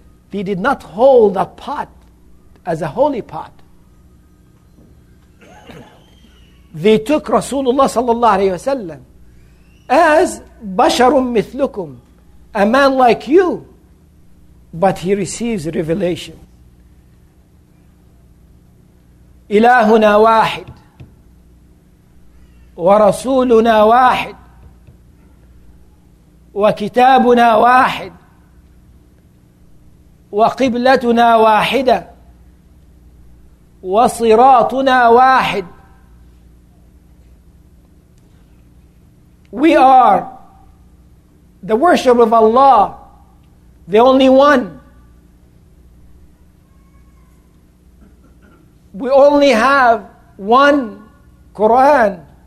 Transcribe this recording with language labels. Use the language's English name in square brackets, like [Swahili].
[English] They did not hold a pot as a holy pot. They took Rasulullah sallallahu alayhi wa sallam as basharun mithlukum, a man like you, but he receives revelation. [Arabic] إلهنا واحد ورسولنا واحد وكتابنا واحد وقبلتنا واحدة وصراطنا واحد. [English] We are the worship of Allah, the only one. We only have one Quran.